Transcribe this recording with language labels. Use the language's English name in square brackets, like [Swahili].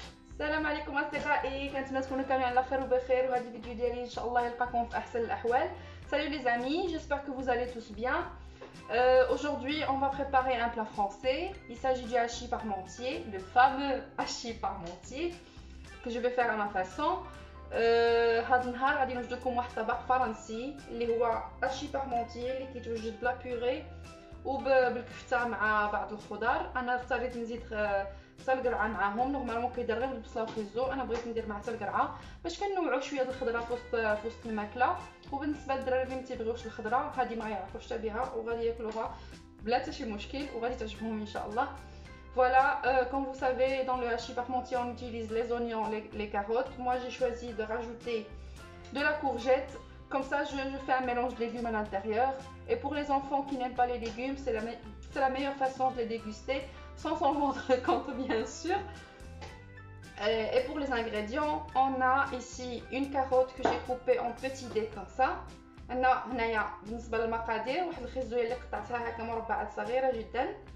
[Arabic] السلام عليكم أصدقائي، كنتمنى تكونوا كاملين على خير وبخير، وهذا الفيديو ديالي إن شاء الله يلقاكم في أحسن الأحوال. [French] Salut les amis, j'espère que vous allez tous bien. Aujourd'hui, on va préparer un plat français. Il s'agit du hachis parmentier, le fameux hachis parmentier que je vais faire à ma façon. [Arabic] هذا النهار غادي نوجدكم واحد الطبق فرنسي اللي هو هاشي بارمونتيير اللي كيتوجد بلا بوري وبالكفته مع بعض الخضار. انا اضطريت نزيد سلقرعه معاهم، نورمالمون كيدير غير البصله والخيزو، انا بغيت ندير معها سلقرعه باش كنوعوا شويه هاد الخضره في وسط الماكله. وبالنسبه للدراري اللي ما تيبغيوش الخضره، هادي ما يعرفوش حتى بها وغادي ياكلوها بلا حتى شي مشكل وغادي تعجبهم ان شاء الله. [French] Voilà, comme vous savez, dans le hachis parmentier, on utilise les oignons, les carottes. Moi, j'ai choisi de rajouter de la courgette. Comme ça, je fais un mélange de légumes à l'intérieur. Et pour les enfants qui n'aiment pas les légumes, c'est la meilleure façon de les déguster, sans s'en rendre compte, bien sûr. Et pour les ingrédients, on a ici une carotte que j'ai coupée en petits dés, comme ça. On a [Arabic] بالنسبه للمقادير واحد الخيزو اللي قطعتها هكا مربعات صغيره جدا.